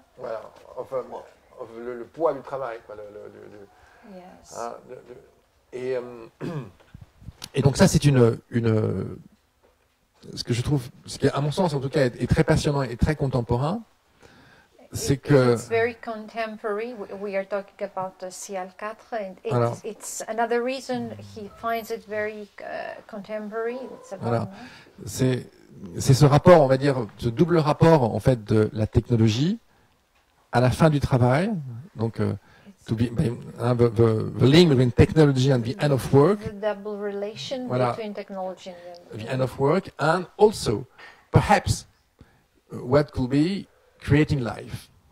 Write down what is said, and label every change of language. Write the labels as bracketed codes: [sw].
[en] Well, of [fr] le poids du travail, quoi. Le, [en] yes. [fr] Et donc ça, c'est une ce que je trouve, ce qui à mon sens en tout cas est très passionnant et très contemporain, c'est que... [en] It's very contemporary. We are talking about the CL4 and it's another reason he finds it very contemporary. [fr] Voilà. C'est ce rapport, on va dire, ce double rapport en fait de la technologie à la fin du travail, donc... [en] The link between technology and the end of work. The double relation voilà. Between technology and the end of work, and also, perhaps, what could be creating life.